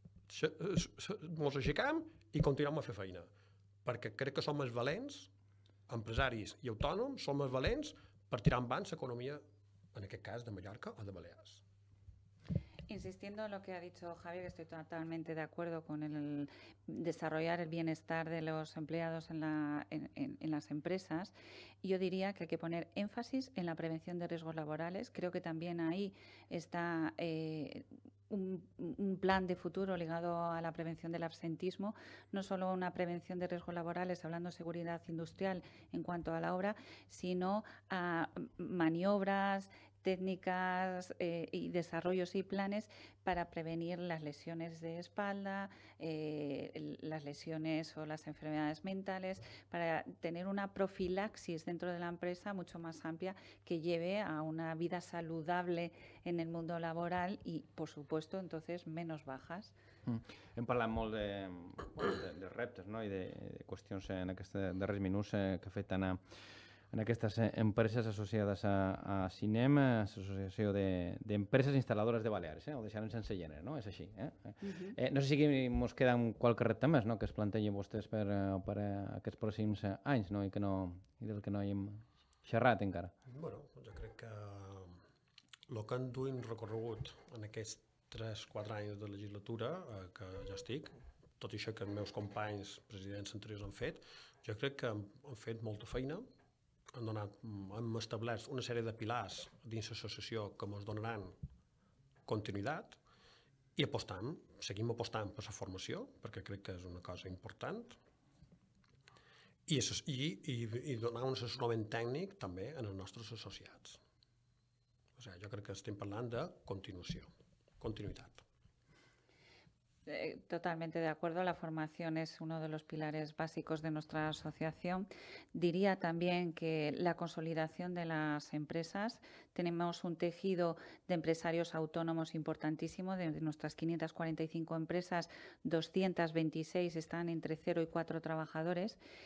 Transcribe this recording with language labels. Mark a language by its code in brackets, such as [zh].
[ca] Ens aixecam i continuem a fer feina, perquè crec que som els valents, empresaris i autònoms, som els valents per tirar endavant l'economia, en aquest cas, de Mallorca o de Balears. [es] Insistiendo en lo que ha dicho Javier, que estoy totalmente de acuerdo con el desarrollar el bienestar de los empleados en las empresas, yo diría que hay que poner énfasis en la prevención de riesgos laborales. Creo que también ahí está un plan de futuro ligado a la prevención del absentismo, no solo una prevención de riesgos laborales, hablando de seguridad industrial en cuanto a la obra, sino a maniobras, técnicas y desarrollos y planes para prevenir las lesiones de espalda, las lesiones o las enfermedades mentales, para tener una profilaxis dentro de la empresa mucho más amplia que lleve a una vida saludable en el mundo laboral y, por supuesto, entonces menos bajas. [ca] Hem parlat molt de reptes, no? I de qüestions en aquests darrers minuts que afecten en aquestes empreses associades a CINEM, l'Associació d'Empreses Instal·ladores de Balears, ho deixarem sense gènere, no? És així. No sé si ens queda qualque repte més, no? Que es plantegi vostès per aquests pròxims anys, no? I del que no hem xerrat encara. Bé, jo crec que el que han duit recorregut en aquests 3-4 anys de legislatura que ja estic, tot això que els meus companys presidents anteriors han fet, jo crec que han fet molta feina. Hem establert una sèrie de pilars dins l'associació que ens donaran continuïtat i seguim apostant per la formació, perquè crec que és una cosa important, i donar un assessorament tècnic també als nostres associats. Jo crec que estem parlant de continuació, continuïtat. [es] Totalmente de acuerdo. La formación es uno de los pilares básicos de nuestra asociación. Diría también que la consolidación de las empresas. Tenemos un tejido de empresarios autónomos importantísimo. De nuestras 545 empresas, 226 están entre 0 y 4 trabajadores.